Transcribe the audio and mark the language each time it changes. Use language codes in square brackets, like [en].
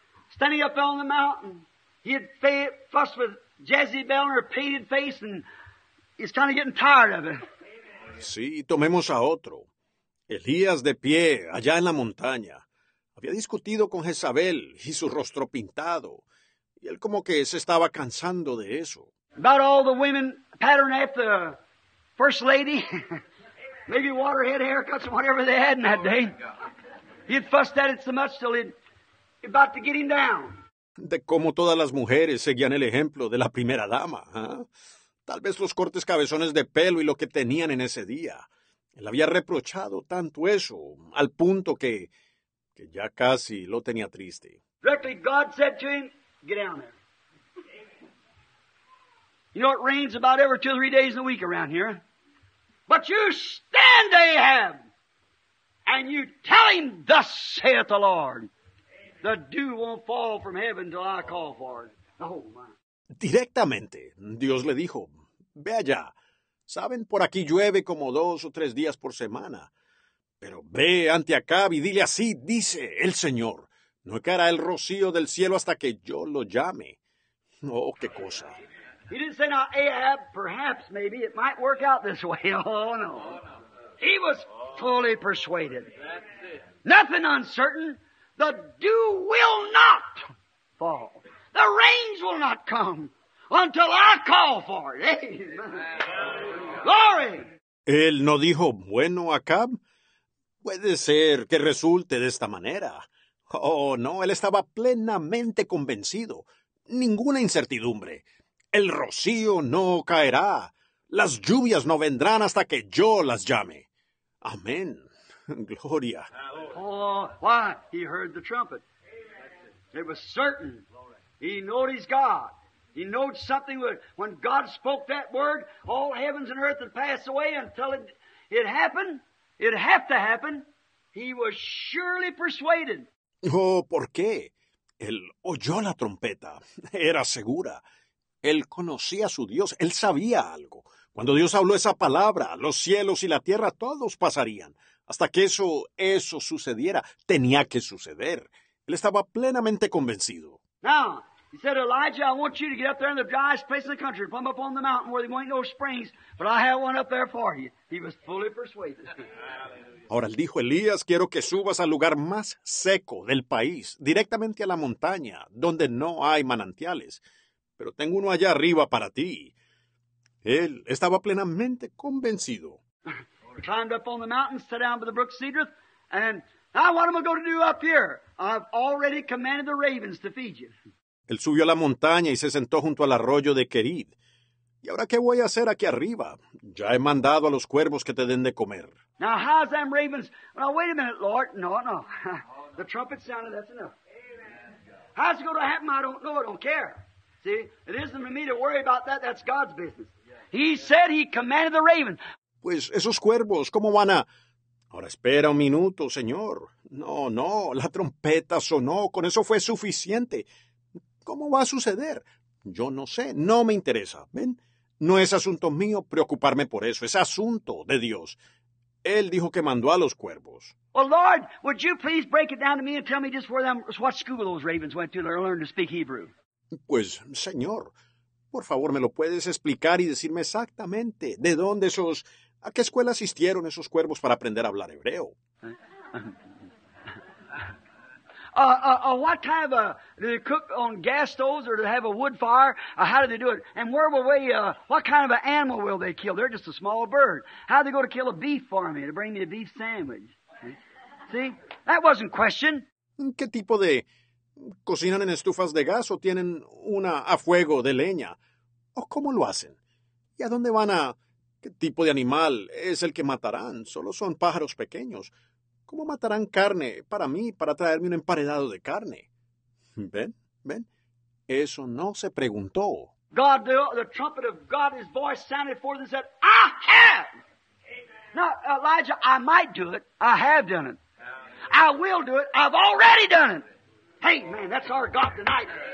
[en] Standing up on the mountain. He had fussed with Jezebel and her painted face and he's kind of getting tired of it. [es] Sí, tomemos a otro. Elías de pie, allá en la montaña. Había discutido con Jezabel y su rostro pintado. Y él como que se estaba cansando de eso. [en] About all the women patterned after the first lady. Maybe waterhead haircuts or whatever they had in that day. He had fussed at it so much till he'd about to get him down. [es] De cómo todas las mujeres seguían el ejemplo de la primera dama. Tal vez los cortes cabezones de pelo y lo que tenían en ese día. Él había reprochado tanto eso, al punto que ya casi lo tenía triste. [en] Directly God said to him, get down there. You know, it rains about every two or three days in a week around here. But you stand, Ahab, and you tell him, thus saith the Lord, the dew won't fall from heaven till I call for it. Oh, my. [es] Directamente. Dios le dijo, ve allá. Saben, por aquí llueve como 2 o 3 días por semana. Pero ve ante Acab y dile así, dice el Señor. No caerá el rocío del cielo hasta que yo lo llame. Oh, qué cosa. [en] He didn't say, now, Ahab, perhaps, maybe, it might work out this way. Oh, no. He was fully persuaded. Nothing uncertain. The dew will not fall. The rains will not come until I call for it. Amen. Glory. [es] Él no dijo, bueno, Acab, puede ser que resulte de esta manera. Oh, no, él estaba plenamente convencido. Ninguna incertidumbre. El rocío no caerá. Las lluvias no vendrán hasta que yo las llame. Amén. Gloria. [en] Oh, why? He heard the trumpet. It was certain. He knows God. He knows something. When God spoke that word, all heavens and earth would pass away until it happened. It have to happen. He was surely persuaded. [es] Oh, ¿por qué? Él oyó la trompeta. Era segura. Él conocía a su Dios. Él sabía algo. Cuando Dios habló esa palabra, los cielos y la tierra, todos pasarían. Hasta que eso sucediera, tenía que suceder. Él estaba plenamente convencido. [en] Now, he said, Elijah, I want you to get up there in the driest place in the country, come up on the mountain where there ain't no springs, but I have one up there for you. He was fully persuaded. [es] Ahora él dijo, Elías, quiero que subas al lugar más seco del país, directamente a la montaña, donde no hay manantiales. Pero tengo uno allá arriba para ti. Él estaba plenamente convencido. [en] Climbed up on the mountain, sat down by the brook Cedrus, and now what am I going to do up here? I've already commanded the ravens to feed you. [es] Él subió a la montaña y se sentó junto al arroyo de Querid. ¿Y ahora qué voy a hacer aquí arriba? Ya he mandado a los cuervos que te den de comer. [en] Now, how's them ravens? Now, wait a minute, Lord. No, no. The trumpet sounded, that's enough. Amen. How's it going to happen? I don't know. I don't care. See, it isn't for me to worry about that. That's God's business. He said he commanded the raven. [es] Pues esos cuervos, ¿cómo van a...? Ahora espera un minuto, Señor. No, no, la trompeta sonó. Con eso fue suficiente. ¿Cómo va a suceder? Yo no sé. No me interesa. ¿Ven? No es asunto mío preocuparme por eso. Es asunto de Dios. Él dijo que mandó a los cuervos. [en] Well, Lord, would you please break it down to me and tell me just where them, what school those ravens went to learn to speak Hebrew? [es] Pues, Señor... Por favor, ¿me lo puedes explicar y decirme exactamente de dónde esos... ¿A qué escuela asistieron esos cuervos para aprender a hablar hebreo? [en] What kind of a... Do they cook on gas stoves or do they have a wood fire? How do they do it? And where will they... What kind of an animal will they kill? They're just a small bird. How do they go to kill a beef for me to bring me a beef sandwich? See? That wasn't question. [es] ¿Qué tipo de... ¿Cocinan en estufas de gas o tienen una a fuego de leña? ¿O cómo lo hacen? ¿Y a dónde van a...? ¿Qué tipo de animal es el que matarán? Solo son pájaros pequeños. ¿Cómo matarán carne para mí, para traerme un emparedado de carne? ¿Ven? ¿Ven? Eso no se preguntó. [en] God, the trumpet of God, his voice sounded forth and said, I have! Now, Elijah, I might do it. I have done it. I will do it. I've already done it. Hey, man, that's our God tonight.